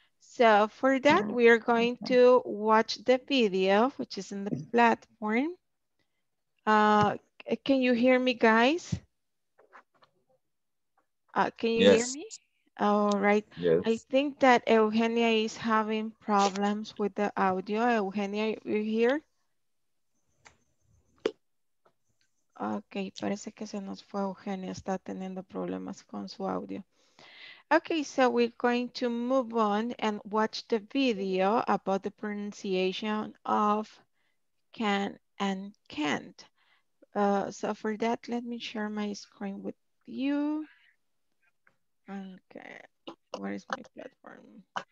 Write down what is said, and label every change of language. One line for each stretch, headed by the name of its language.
English: So for that, we are going to watch the video, which is in the platform. Can you hear me, guys? Can you hear me? All right. Yes. I think that Eugenia is having problems with the audio. Eugenia, are you here?
Spanish: Okay, parece que se nos fue Eugenia, está teniendo problemas con su audio.
English: Okay, so we're going to move on and watch the video about the pronunciation of can and can't. So for that, let me share my screen with you. Okay, where is my platform?